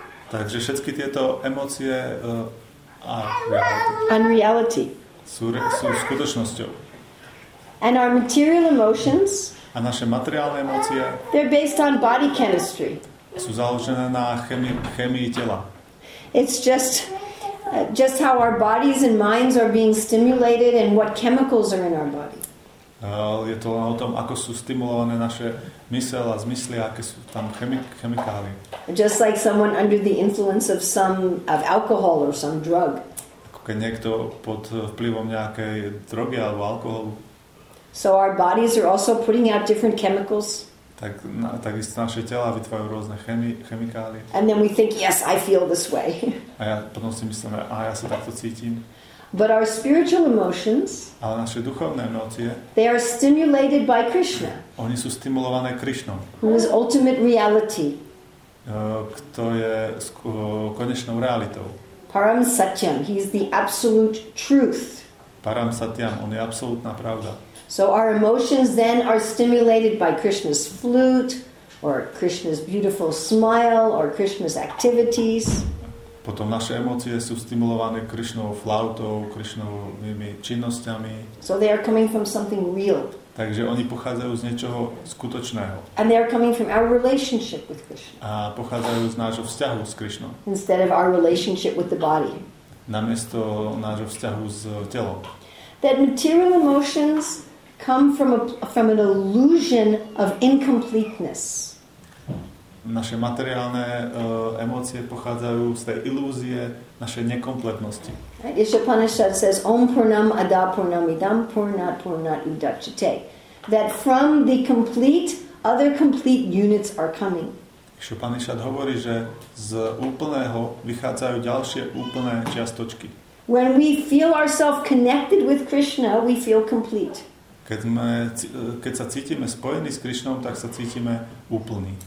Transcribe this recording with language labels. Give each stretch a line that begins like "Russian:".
Slovak: Takže všetky tieto emócie a
English: reality
Slovak: sú skutočnosťou.
English: And our material emotions,
Slovak: a naše materiálne emócie,
English: they're based on body chemistry.
Slovak: Sú založené na chémii tela.
English: It's just how our bodies and minds are being stimulated and what chemicals are in our body.
Slovak: Je to len o tom, ako sú stimulované naše mysel a zmysly, aké sú tam chemikálie.
English: Just like someone under the influence of some of alcohol or some drug.
Slovak: Ako keď niekto pod vplyvom nejakej drogy alebo alkoholu.
English: So our bodies are also putting out different chemicals.
Slovak: Tak isto naše tela vytvárajú rôzne chemikálie.
English: And then we think, yes, I feel this way.
Slovak: A ja potom si myslím, ja sa takto cítim.
English: But our spiritual emotions,
Slovak: ale naše duchovné emócie,
English: they are stimulated by Krishna.
Slovak: Oni sú stimulované Krishnou.
English: Who is ultimate reality.
Slovak: Kto je konečnou realitou.
English: Param Satyam, he is the absolute truth.
Slovak: Param Satyam, on je absolútna pravda.
English: So our emotions then are stimulated by Krishna's flute or Krishna's beautiful smile or Krishna's activities.
Slovak: Potom naše emócie sú stimulované Krishnovou flautou, Krishnovými činnosťami.
English: So they are coming from something real.
Slovak: Takže oni pochádzajú z niečoho skutočného.
English: And they are coming from our relationship with Krishna.
Slovak: A pochádzajú z nášho vzťahu s Krishnou.
English: Instead of our relationship with the body.
Slovak: Namiesto nášho vzťahu s telom.
English: That material emotions come from an illusion of incompleteness.
Slovak: Naše materiálne emócie pochádzajú z tej ilúzie našej nekompletnosti.
English: Right? Isha Upanishad says
Sanskrit: Om Purnam Adha Purnam Idam Purnat Purnat Udachate.
English: That from the complete, other complete units are coming.
Slovak: Isha Upanishad hovorí, že z úplného vychádzajú ďalšie úplné čiastočky.
English: When we feel ourselves connected with Krishna, we feel complete.
Slovak: Keď sa cítime spojení s Krishnou, tak sa cítime úplní.